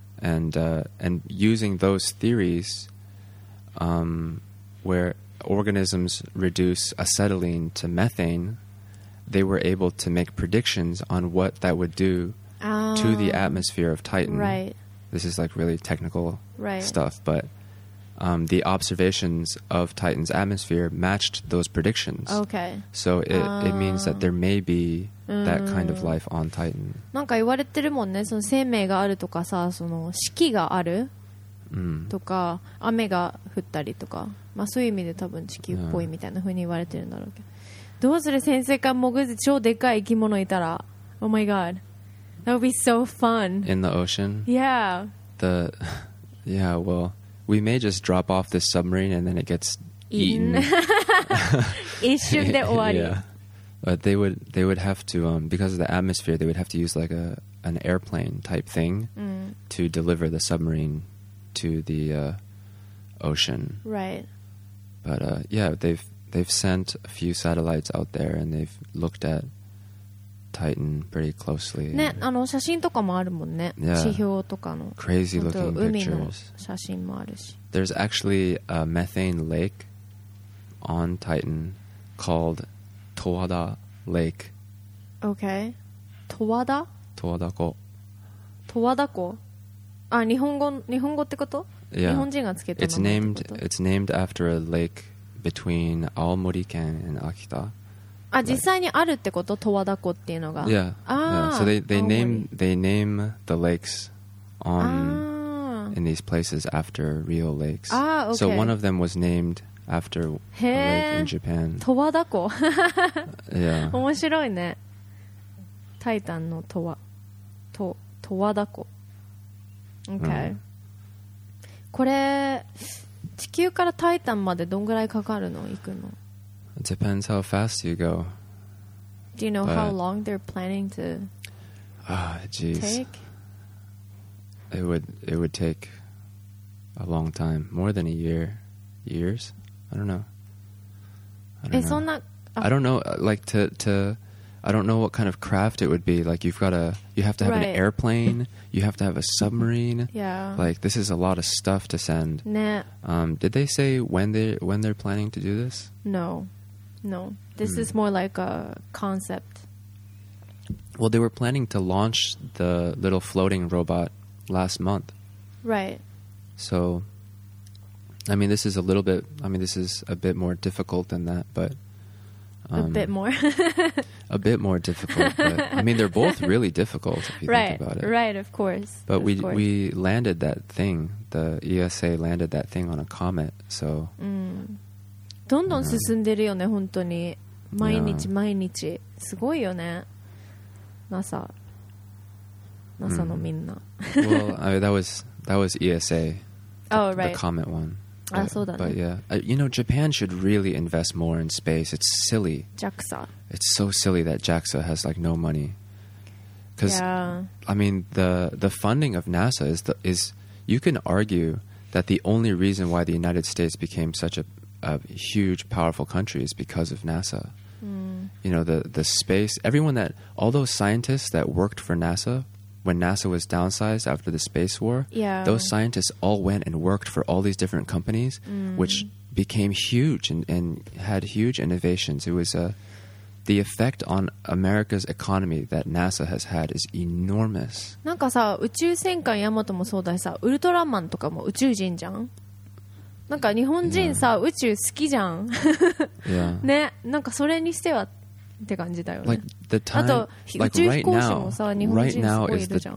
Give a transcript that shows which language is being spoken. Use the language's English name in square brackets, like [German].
[English] And using those theories, where organisms reduce acetylene to methane, they were able to make predictions on what that would do to the atmosphere of Titan. Right. This is like really technical right. stuff, but the observations of Titan's atmosphere matched those predictions. Okay. So it means that there may be that kind of life on Titan. [Japanese] なんか言われてるもんね。その生命があるとかさ、その四季があるとか、雨が降ったりとか、まあそういう意味で多分地球っぽいみたいな風に言われてるんだろうけど。どうする潜水艦潜って超でかい生き物いたら [English] Oh my god. That would be so fun. In the ocean? Yeah. Well, we may just drop off this submarine and then it gets eaten. [Japanese] 一瞬で終わり。 [English] Yeah. But they would have to, because of the atmosphere, they would have to use like an airplane type thing to deliver the submarine to the ocean. Right. But yeah, they've sent a few satellites out there and they've looked at Titan pretty closely. [Japanese] ね、あの写真とかもあるもんね。 [English] Yeah. [Japanese] 地表とかの。 [English] Crazy looking pictures. [Japanese] 写真もあるし。 [English] There's actually a methane lake on Titan called Towada Lake. Okay. Towada? Towada Ko. [Japanese] Towada Ko? あ、日本語ってこと? [English] Yeah. [Japanese] 日本人がつけた名前ってこと? [English] It's named after a lake between Aomori ken and Akita. [Japanese] あ、実際にあるってこと? Towada Ko っていうのが? [English] Yeah. Ah. Yeah. So they name the lakes in these places after real lakes. Ah, okay. So one of them was named after a lake in Japan. Towada Ko. Yeah. [Japanese] 面白いね。タイタンのトワ。ト、トワダコ。Okay. これ、地球からタイタンまでどんぐらいかかるの?行くの? [English] It depends how fast you go. Do you know how long they're planning to take? It would take a long time. More than a year. Years? I don't know. Like I don't know what kind of craft it would be. Like you have to have right. an airplane. You have to have a submarine. Yeah. Like this is a lot of stuff to send. Nah. Did they say when they're planning to do this? No. This is more like a concept. Well, they were planning to launch the little floating robot last month. Right. So. I mean, this is a little bit... I mean, this is a bit more difficult than that, but... a bit more. a bit more difficult, but... I mean, they're both really difficult, if you right, think about it. Right, of course. But of course. We landed that thing. The ESA landed that thing on a comet, so... [Japanese] どんどん進んでるよね、本当に。毎日毎日。すごいよね。NASA。 NASA のみんな。 [English] Well, I mean, that was ESA... Oh, right. The comet one. Ah, so that. But yeah. You know, Japan should really invest more in space. It's silly. JAXA. It's so silly that JAXA has like no money. Cause, yeah. I mean, the funding of NASA is, you can argue that the only reason why the United States became such a huge, powerful country is because of NASA. You know, the space, everyone that, all those scientists that worked for NASA... When NASA was downsized after the space war, yeah. those scientists all went and worked for all these different companies, which became huge and had huge innovations. It was the effect on America's economy that NASA has had is enormous. [Japanese] なんかさ、宇宙戦艦ヤマトもそうだしさ、ウルトラマンとかも宇宙人じゃん。なんか日本人さ、宇宙好きじゃん。 [English] yeah. [Japanese] ね、なんかそれにしては。って感じだよね。 [English] Like the time, [Japanese] あと、like、宇宙飛行士もさ、日本人すごいいるじゃん。